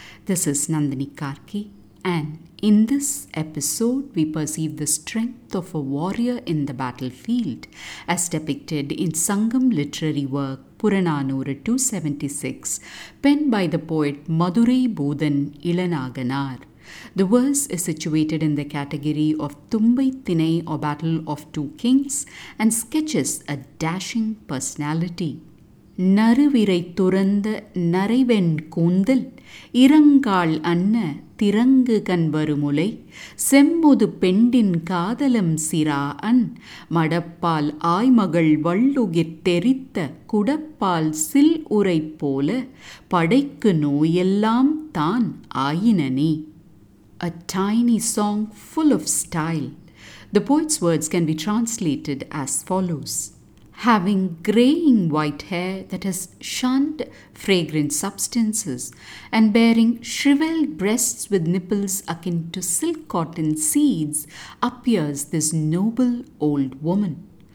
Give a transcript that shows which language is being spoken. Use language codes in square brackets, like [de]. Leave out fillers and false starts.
[en] This is Nandini Karki, and in this episode we perceive the strength of a warrior in the battlefield as depicted in Sangam literary work Puranaanooru 276 penned by the poet Madurai Boothan Ilanaakanaar. The verse is situated in the category of Thumbai Thinai or Battle of Two Kings and sketches a dashing personality. [ta] நறுவிரை துறந்து நரைவெண் கூந்தல் இறங்காள் அன்ன திறங்கு கண் வருமுலை செம்முது பெண்டின் காதலம் Zira an மடப்பால் ஆய்மகள் வள்ளுகிர் தெரித்த குடப்பால் சில் உரை போல படைக்கு நோயெல்லாம் தான் ஆயினனே. [en] A tiny song full of style. The poet's words can be translated as follows. Having graying white hair that has shunned fragrant substances and bearing shriveled breasts with nipples akin to silk cotton seeds, appears this noble old woman.